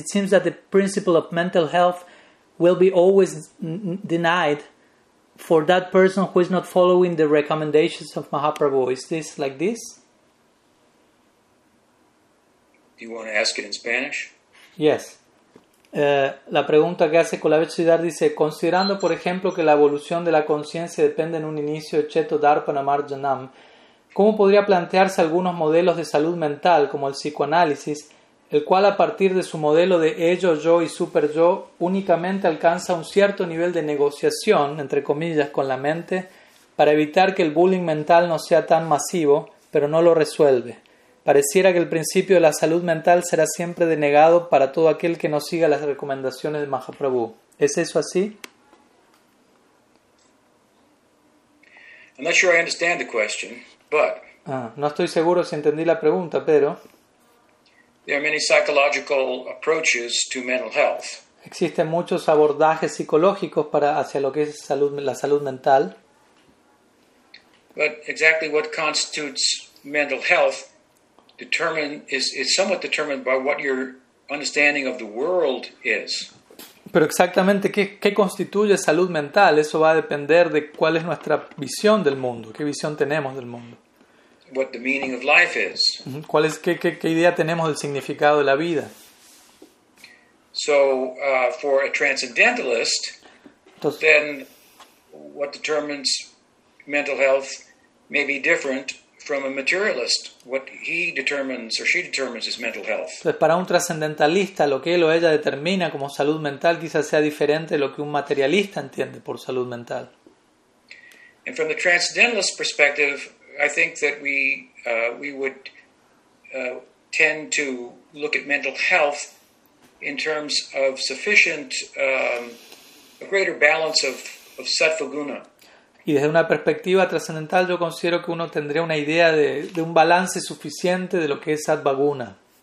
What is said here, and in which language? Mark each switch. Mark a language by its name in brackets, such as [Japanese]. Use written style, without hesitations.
[English] It seems that the principle of mental health will be always denied for that person who is not following the recommendations of Mahaprabhu. Is this like this? Do you want to ask it in Spanish? Yes. [Spanish] La pregunta que hace Kolabech Sridhar dice, considerando por ejemplo que la evolución de la conciencia depende en un inicio de Cheto Darpana Marjanam, ¿cómo podría plantearse algunos modelos de salud mental como el psicoanálisis, el cual a partir de su modelo de ello, yo y super yo únicamente alcanza un cierto nivel de negociación, entre comillas, con la mente para evitar que el bullying mental no sea tan masivo, pero no lo resuelve? Pareciera que el principio de la salud mental será siempre denegado para todo aquel que no siga las recomendaciones de Mahaprabhu. ¿Es eso así? [English] I'm not sure I understand the question, but [Spanish] no estoy seguro si entendí la pregunta, pero [English] There are many psychological approaches to mental health. [Spanish] Existen muchos abordajes psicológicos para hacia lo que es salud, la salud mental. [English] But exactly what constitutes mental health is somewhat determined by what your understanding of the world is. [Spanish] Pero exactamente qué constituye salud mental, eso va a depender de cuál es nuestra visión del mundo, qué visión tenemos del mundo. [English] What the meaning of life is. [Spanish] ¿Cuál es qué idea tenemos del significado de la vida? [English] So, for a transcendentalist, entonces, then what determines mental health may be different from a materialist. What he determines or she determines is mental health. [Spanish] Entonces, para un trascendentalista, lo que él o ella determina como salud mental quizás sea diferente de lo que un materialista entiende por salud mental. [English] And from the transcendentalist perspective, I think that we would tend to look at mental health in terms of sufficient, a greater balance of sattva-guna. [Spanish] Y desde una perspectiva trascendental, yo considero que uno tendría una idea de un balance suficiente de lo que es sattva-guna.